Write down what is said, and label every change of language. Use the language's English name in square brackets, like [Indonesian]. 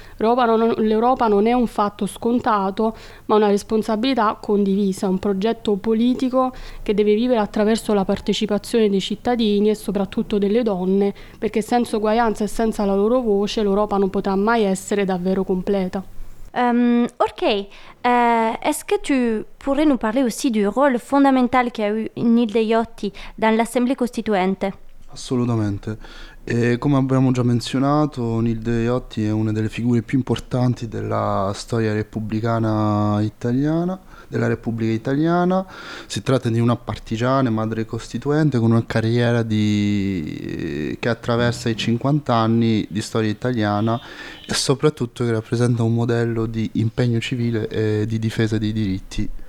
[Italian] L'Europa non è un fatto scontato, ma una responsabilità condivisa, un progetto politico che deve vivere attraverso la partecipazione dei cittadini e soprattutto delle donne, perché senza uguaglianza e senza la loro voce l'Europa non potrà mai essere davvero completa. [French] Est-ce que tu pourrais nous parler aussi du rôle fondamental qu'a eu Neil Deiotti dans l'Assemblée costituente? [Italian] Assolutamente. E come abbiamo già menzionato, Neil Deiotti è una delle figure più importanti della storia repubblicana italiana, della Repubblica italiana. Si tratta di una partigiana e madre costituente con una carriera che attraversa i 50 anni di storia italiana e soprattutto che rappresenta un modello di impegno civile e di difesa dei diritti.